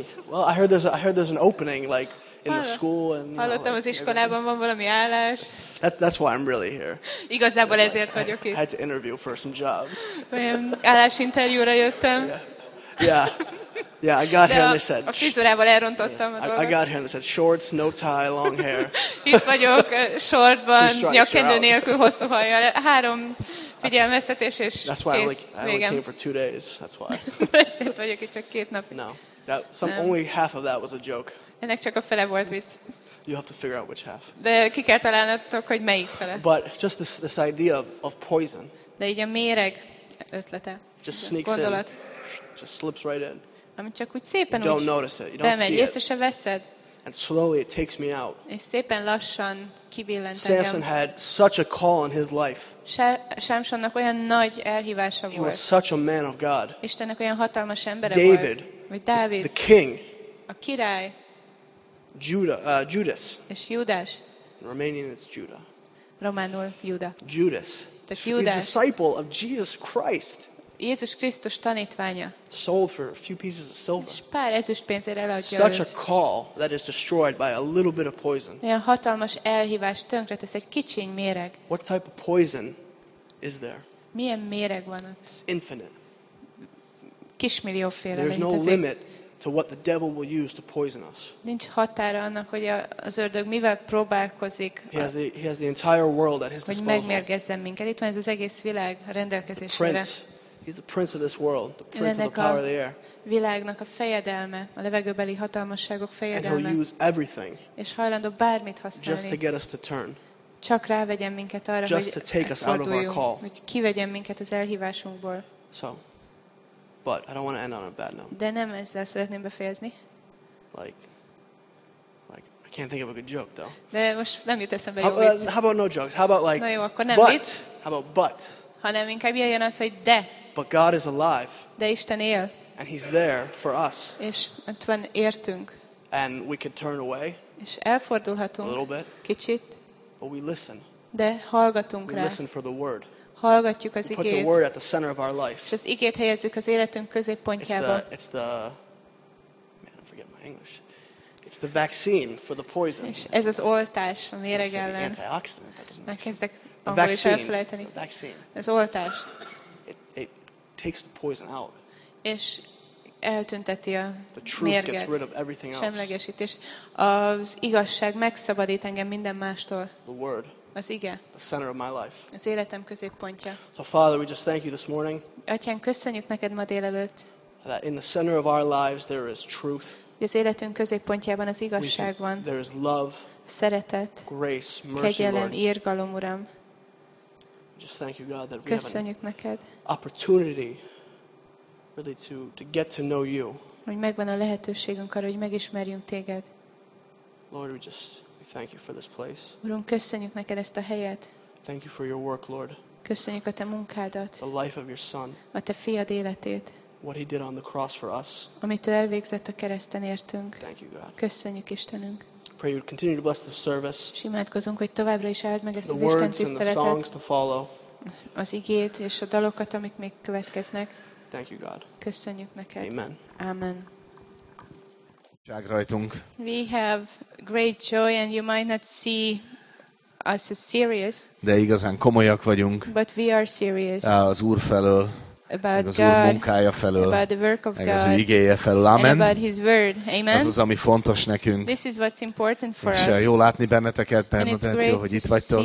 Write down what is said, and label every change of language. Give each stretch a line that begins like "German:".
English: Well, I heard there's an opening like in the school and
Hungarian: hallottam, az iskolában van valami állás.
English: That's why I'm really here.
Hungarian: Igazából ezért vagyok itt.
English: I had to interview for some jobs.
Hungarian: Állásinterjúra jöttem.
English: Yeah, I got here and they said.
Hungarian: A frizurával elrontottam a dolgot.
English: I got here and they said shorts, no tie, long hair.
Hungarian: Itt vagyok shortban, nyakkendő nélkül, hosszú hajjal. Három figyelmeztetés és
English: that's why
Hungarian: kész.
English: I only came for 2 days. That's why.
Hungarian: Ezért vagyok itt csak 2 nap.
English: No, only half of that was a joke.
Hungarian: Ennek csak a fele volt vicc.
English: You have to figure out which half.
Hungarian: De ki kell találnatok, hogy melyik fele.
English: But just this idea of poison.
Hungarian: De így a méreg ötlete.
English: Just sneaks
Hungarian: gondolat.
English: In. Just slips right in.
Hungarian: Ami csak úgy szépen
English: you don't notice it. You don't
Hungarian: bemegy,
English: see it.
Hungarian: Észre se veszed.
English: And slowly it takes me out.
Hungarian: És szépen lassan kibillent engem.
English: Samson had such a call in his life.
Hungarian: Samsonnak olyan nagy elhívása volt.
English: He was such a man of God.
Hungarian: Istennek olyan hatalmas embere
English: David,
Hungarian: volt. Vagy Dávid.
English: The king.
Hungarian: A király.
English: Judas.
Hungarian: És Judas.
English: In Romanian it's Judah.
Hungarian: Románul Judah.
English: Judas.
Hungarian: Tehát Judas.
English: A disciple of Jesus Christ.
Hungarian: Jézus Krisztus tanítványa.
English: Sold for a few pieces of silver.
Hungarian: És pár ezüst pénzért eladja.
English: Such a call that is destroyed by a little bit of poison.
Hungarian: Olyan hatalmas elhívás tönkretesz egy kicsiny méreg.
English: What type of poison is there?
Hungarian: Milyen méreg van ott?
English: It's infinite.
Hungarian: Kismillióféle.
English: There's no limit to what the devil will use to poison us.
Hungarian: Nincs határa annak, hogy az ördög mivel próbálkozik.
English: He has the entire world at his disposal.
Hungarian: Hogy megmérgezzen minket. Itt van ez az egész világ rendelkezésére.
English: He's the prince of this world, the prince of the power of the air.
Hungarian: Világnak a fejedelme, a levegőbeli hatalmasságok fejedelme.
English: And he'll use everything.
Hungarian: És hajlandó bármit használni.
English: Just to get us to turn.
Hungarian: Csak rávegyen minket arra,
English: just to take us out of our call.
Hungarian: Hogy kivegyen minket az elhívásunkból.
English: So, but I don't want to end on a bad note.
Hungarian: De nem ezzel szeretném befejezni.
English: Like I can't think of a good joke though.
Hungarian: De most nem jut eszembe jó vicc.
English: How about no jokes? How about like
Hungarian: na jó, akkor nem
English: but?
Hungarian: Mit?
English: How about but?
Hungarian: Hanem inkább jöjjön az, hogy de.
English: But God is alive.
Hungarian: De Isten él.
English: And he's there for us.
Hungarian: És ott van értünk.
English: And we could turn away.
Hungarian: És elfordulhatunk.
English: A little bit.
Hungarian: Kicsit.
English: But we listen.
Hungarian: De hallgatunk
English: rá. We listen for the word.
Hungarian: Hallgatjuk az igét.
English: Put the word at the center of our life.
Hungarian: És az igét helyezzük az életünk középpontjába.
English: Man, I forget my English. It's the vaccine for the poison.
Hungarian: És ez az oltás a méreg ellen.
English: It's the antioxidant. That doesn't make sense. A vaccine. A vaccine.
Hungarian: Ez oltás.
English: It takes the poison out.
Hungarian: És eltünteti a
English: the truth
Hungarian: mérget.
English: Gets rid of everything else.
Hungarian: Semlegesítés. Az igazság megszabadít engem minden mástól.
English: The word.
Hungarian: Az ige.
English: The center of my life.
Hungarian: Az életem középpontja.
English: So Father, we just thank you this morning.
Hungarian: Atyán, köszönjük neked ma délelőtt.
English: That in the center of our lives there is truth.
Hungarian: Az életünk középpontjában az igazság van.
English: There is love.
Hungarian: Szeretet.
English: Grace, mercy,
Hungarian: kegyelem,
English: Lord.
Hungarian: Írgalom, Uram.
English: Just thank you, God, that
Hungarian: köszönjük
English: we have an
Hungarian: neked.
English: Opportunity really to get to know you.
Hungarian: Hogy megvan a lehetőségünk arra, hogy megismerjünk téged.
English: Lord, we thank you for this place.
Hungarian: Urunk, köszönjük neked ezt a helyet.
English: Thank you for your work, Lord.
Hungarian: Köszönjük a te munkádat.
English: The life of your son.
Hungarian: A te fiad életét.
English: What he did on the cross for us.
Hungarian: Amit ő elvégzett a kereszten értünk.
English: Thank you, God.
Hungarian: Köszönjük, Istenünk.
English: Pray you continue to bless the service.
Hungarian: És imádkozunk, hogy továbbra is áld meg ezt
English: the words and the songs to follow.
Hungarian: Az igét és a dalokat, amik még következnek.
English: Thank you, God.
Hungarian: Köszönjük neked.
English: Amen.
Hungarian: Amen. Ság rajtunk.
English: We have great joy and you might not see us as serious.
Hungarian: De igazán komolyak vagyunk.
English: But we are serious.
Hungarian: Az Úr felől.
English: about
Hungarian: az God, munkája felől,
English: about the work of
Hungarian: meg
English: God,
Hungarian: az ő igéje felől. Amen.
English: And about his word. Amen.
Hungarian: Ez az, ami fontos nekünk.
English: This is what's important for
Hungarian: és
English: us.
Hungarian: Jó látni benneteket, bennetek, jó, hogy itt vagytok.